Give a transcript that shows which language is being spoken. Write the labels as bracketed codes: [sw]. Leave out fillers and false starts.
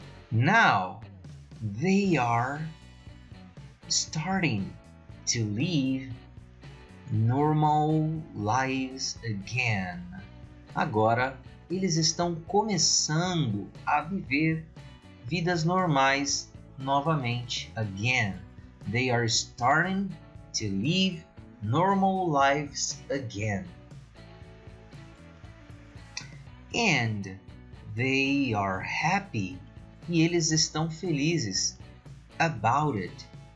[en] Now, they are starting to live normal lives again. [pt] Agora, eles estão começando a viver vidas normais novamente. [en] Again, they are starting to live normal lives again. And they are happy. [pt] E eles estão felizes. [en] About it.